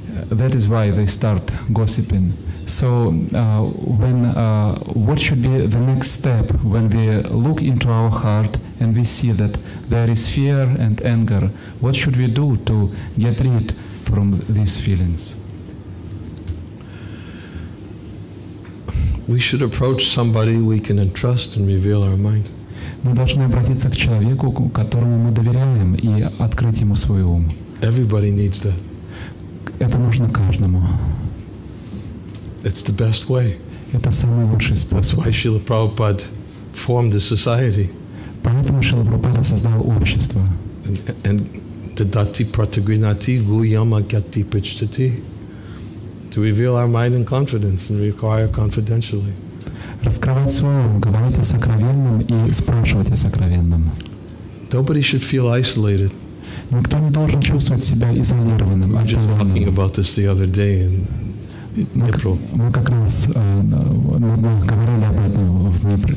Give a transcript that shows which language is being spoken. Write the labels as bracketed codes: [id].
[en] That is why they start gossiping. So what should be the next step when we look into our heart and we see that there is fear and anger? What should we do to get rid from these feelings? We should approach somebody we can entrust and reveal our mind. [ru] Мы должны обратиться к человеку, которому мы доверяем, и открыть ему свой ум. [en] Everybody needs that. [ru] Это нужно каждому. [en] It's the best way. [ru] Это самый лучший способ. [en] That's why Srila Prabhupada formed the society. [ru] Поэтому Шрила Прабхупада создал общество. [en] And the [sa] dati pratigrinati guyama gati pichtati. [en] To reveal our mind in confidence and require confidentially. [ru] Раскрывать свой ум, говорить о сокровенном и спрашивать о сокровенном. [en] Nobody should feel isolated. [ru] Никто не должен чувствовать себя изолированным. [en] We were just talking about this the other day in April. [ru] Мы как раз говорили об этом в Днепре.